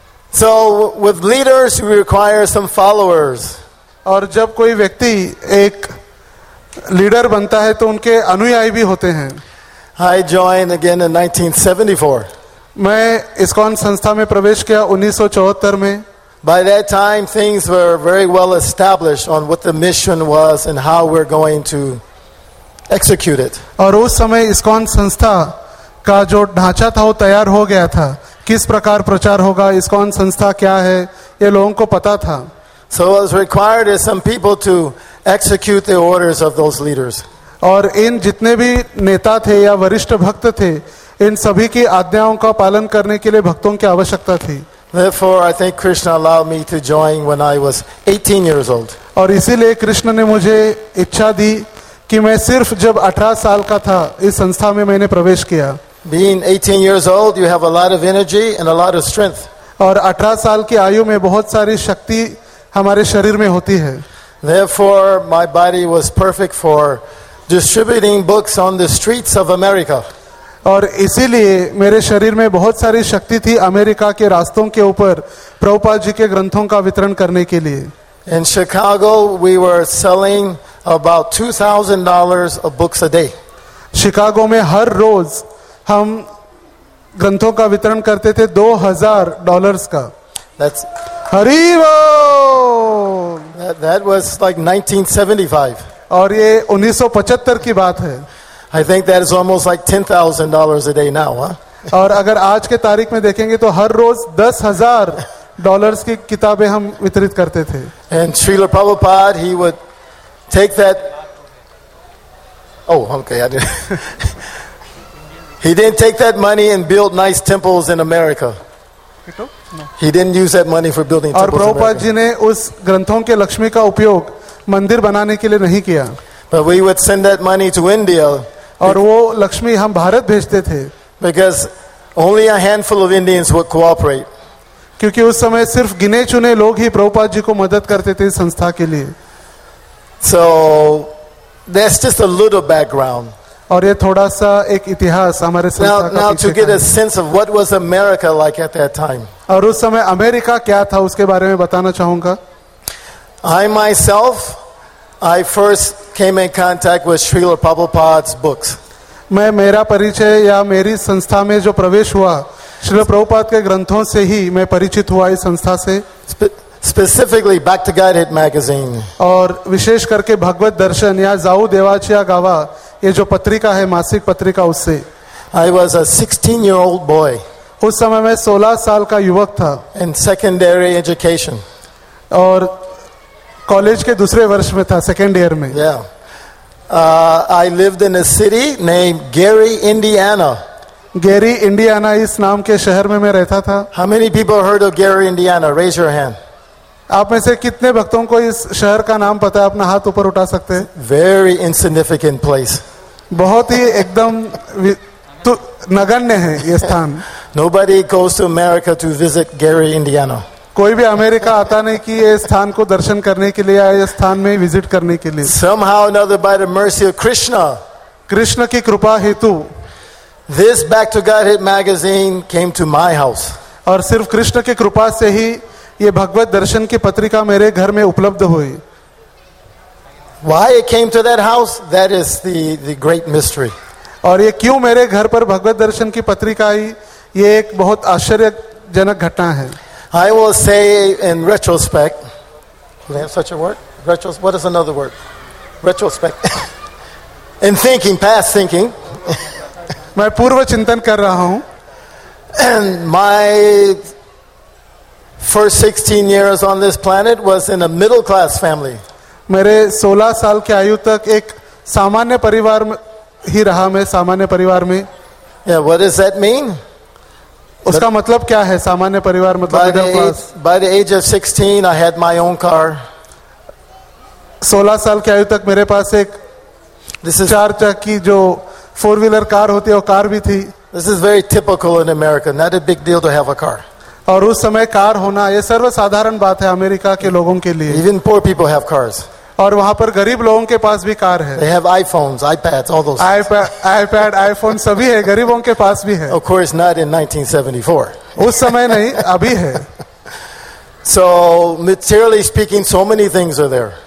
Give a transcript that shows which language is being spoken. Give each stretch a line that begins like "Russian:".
English: So with leaders we require some followers.
Hindi: और जब कोई व्यक्ति एक लीडर बनता है तो उनके अनुयायी भी होते हैं.
English: I joined again in 1974.
Hindi: मैं इस्कॉन संस्था में प्रवेश किया 1974 में.
English: By that time, things were very well established on what the mission was and how we're going to execute it.
Hindi: और उस समय इस्कॉन संस्था का जो ढांचा था वो तैयार हो गया था. किस प्रकार प्रचार होगा, इस्कॉन संस्था क्या है, ये लोगों को पता था.
English: So it was required of some people to execute the orders of those leaders.
Hindi: और इन जितने भी नेता थे या वरिष्ठ भक्त थे, इन सभी की आज्ञाओं का पालन करने के लिए भक्तों की आवश्यकता थी.
English: Therefore, I think Krishna allowed me to join when I was 18 years old.
Hindi: और इसीलिए कृष्ण ने मुझे इच्छा दी कि मैं सिर्फ जब 18 साल का था इस संस्था में मैंने प्रवेश किया.
English: Being 18 years old, you have a lot of energy and a lot of strength.
Hindi: और 18 साल की आयु में बहुत सारी शक्ति हमारे शरीर में होती है.
English: Therefore, my body was perfect for distributing books on the streets of America.
Hindi: और इसीलिए मेरे शरीर में बहुत सारी शक्ति थी अमेरिका के रास्तों के ऊपर प्रभुपाद जी के ग्रंथों का वितरण करने के लिए.
English: In Chicago, we were selling about $2,000 of books a day.
Hindi: Chicago में हर रोज हम ग्रंथों का वितरण करते थे $2,000 का.
English: That's
Hindi: हरिवो.
English: That was like 1975.
Hindi: और ये 1975 की बात है.
English: I think that is almost like $10,000 a day now, huh?
Hindi: और अगर आज के तारीख में देखेंगे तो हर रोज $10,000 की किताबें हम वितरित करते थे.
English: And Srila Prabhupada, he would take that. Oh, okay, I did. He didn't take that money and build nice temples in America. He didn't use that money for building temples.
Hindi: और प्रभुपाद जी ने उस ग्रंथों के लक्ष्मी का उपयोग मंदिर बनाने के लिए नहीं किया.
English: But we would send that money to India.
Hindi: और वो लक्ष्मी हम भारत भेजते थे.
English: Because only a handful of Indians would cooperate.
Hindi: क्योंकि उस समय सिर्फ गिने चुने लोग ही प्रभुपाद जी को मदद करते थे संस्था के लिए.
English: So that's just a little background.
Hindi: और ये थोड़ा सा एक इतिहास हमारे संस्था
English: now,
Hindi: का
English: now to get a sense of what was America like at that time.
Hindi: और उस समय अमेरिका क्या था उसके बारे में बताना चाहूंगा.
English: I myself, I first came in contact with Srila Prabhupada's books.
Hindi: मैं मेरा परिचय या मेरी संस्था में जो प्रवेश हुआ श्रील प्रभुपाद के ग्रंथों से ही मैं परिचित हुआ इस संस्था से.
English: Specifically, Bhaktigarhit magazine.
Hindi: और विशेष करके भगवत दर्शन या जाऊ देवाचिया गावा ये जो पत्रिका है मासिक पत्रिका उससे.
English: I was a 16-year-old boy.
Hindi: उस समय मैं 16 साल का युवक था.
English: In secondary education.
Hindi: और कॉलेज के दूसरे वर्ष में था
English: second year
Hindi: में.
English: Yeah. I lived in a city named Gary, Indiana.
Hindi: Gary, Indiana इस नाम के शहर में मैं रहता था.
English: How many people heard of Gary, Indiana? Raise your hand.
Hindi: आप में से कितने भक्तों को इस शहर का नाम पता है, अपना हाथ ऊपर उठा सकते हैं.
English: Very insignificant place.
Hindi: बहुत ही एकदम नगण्य है ये स्थान.
English: Nobody goes to America to visit Gary, Indiana.
Hindi: कोई भी अमेरिका आता नहीं कि ये स्थान को दर्शन करने के लिए या ये स्थान में विजिट करने के लिए.
English: Somehow another by the mercy of Krishna,
Hindi: Krishna की कृपा हेतु,
English: this Back to Godhead magazine came to my house.
Hindi: और सिर्फ कृष्ण की कृपा से ही ये भगवत दर्शन की पत्रिका मेरे घर में उपलब्ध हुई.
English: Why it came to that house? That is the great mystery.
Hindi: और ये क्यों मेरे घर पर भगवत दर्शन की पत्रिका आई, ये एक बहुत आश्चर्यजनक घटना है.
English: I will say in retrospect. Do they have such a word? Retrospect. What is another word? Retrospect. In thinking, past thinking.
Hindi: मैं पूर्व चिंतन कर रहा हूँ.
English: And my first 16 years on this planet was in a middle class family.
Hindi: मेरे 16 साल के आयु तक एक सामान्य परिवार ही रहा मैं, सामान्य परिवार में.
English: Yeah. What does that mean?
Hindi: उसका मतलब क्या है सामान्य परिवार, मतलब
English: Middle class. By the age of 16, I had my own car.
Hindi: 16 साल की आयु तक मेरे पास एक चार चक्की जो
English: four wheeler car
Hindi: होती है वो कार भी थी.
English: This is very typical in America. Not a big deal to have a car.
Hindi: और उस समय कार होना ये सर्वसाधारण बात है अमेरिका के लोगों के लिए.
English: Even poor people have cars.
Hindi: और वहां पर गरीब लोगों के पास भी कार है.
English: They have iPhones, iPads, all those.
Hindi: iPad, iPhone सभी है, गरीबों के पास भी है.
English: Of course not in 1974.
Hindi: उस समय नहीं, अभी है.
English: So materially speaking, so many things are there.